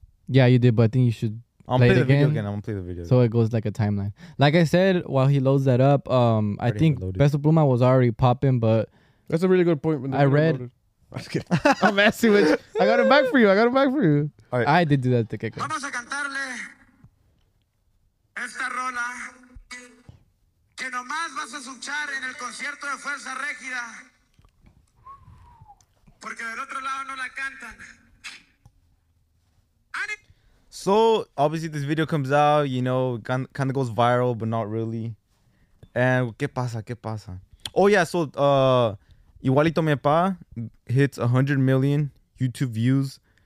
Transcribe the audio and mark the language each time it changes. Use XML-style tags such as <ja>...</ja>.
<en>Yeah, you did, but I think you should I'm play the video again. I'm gonna play the video again. So it goes like a timeline. Like I said, while he loads that up, I think PESO PLUMA was already popping, but that's a really good point. When I read. I'm asking which. I got it back for you. I got it back for you. All right. I did do that to Kiko.</en> <es>Vamos a cantarle esta rola que nomás vas a escuchar en el concierto de Fuerza Régida. Porque del otro lado no la cantan.</es> <en>So obviously this video comes out, you know, kind of goes viral, but not really. And</en> <es>qué pasa, qué pasa?</es> <en>Oh yeah, so Igualito Mi Apa hits 100 million YouTube views.</en>